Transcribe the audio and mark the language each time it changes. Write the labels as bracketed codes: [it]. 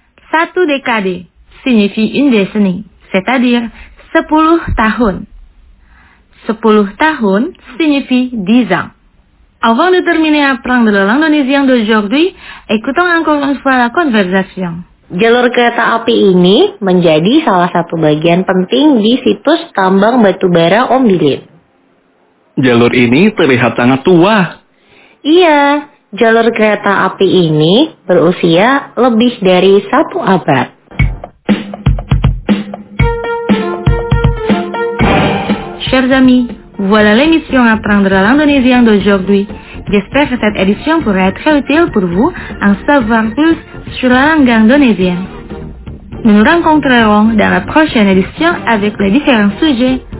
[fr] Satu décadé signifie une décennie, c'est-à-dire [id] 10 tahun. 10 tahun [fr] signifie 10 ans. Avant de terminer à apprendre le langue d'aujourd'hui, écoutons encore une fois la conversation. [id] Jalur kereta api ini menjadi salah satu bagian penting di situs tambang batubara Ombilin. Jalur ini terlihat sangat tua. Iya, jalur kereta api ini berusia lebih dari satu abad. [fr] Chers amis, voilà l'émission Apprendre l'Indonésien d'aujourd'hui. J'espère que cette édition pourrait être utile pour vous en savoir plus sur la langue indonésienne. Nous nous rencontrerons dans la prochaine édition avec les différents sujets.